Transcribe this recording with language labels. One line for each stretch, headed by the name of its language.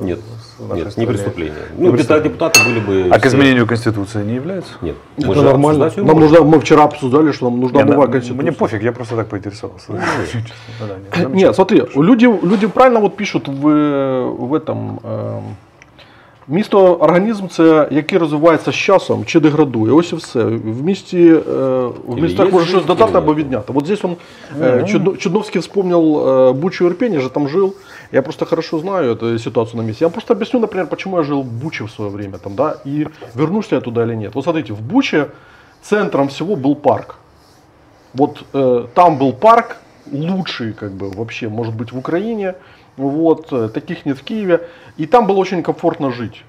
Russian: Нет, не преступление. Ну, депутаты были бы... А к изменению Конституции не является? Нет. Это нормально. Нам нужно, мы вчера обсуждали, что нам нужна новая Конституция. Мне пофиг, я просто так поинтересовался. Нет, смотри, люди правильно вот пишут в этом...
Ukrainian: Місто – організм, це який розвивається з часом чи деградує. Ось і все. В місті, в містах може щось додати або відняти.
Russian: От здесь Чудновський
Ukrainian: вспомнив Бучу і Ірпінь,
Russian: я же там жив. Я просто хорошо знаю эту ситуацию на месте. Я вам просто объясню, например, почему я жил в Буче в свое время. Там, да, и вернусь ли я туда или нет. Вот смотрите, в Буче центром всего был парк. Вот там был парк, лучший, как бы, вообще, может быть, в Украине. Вот, таких нет в Киеве. И там было очень комфортно жить.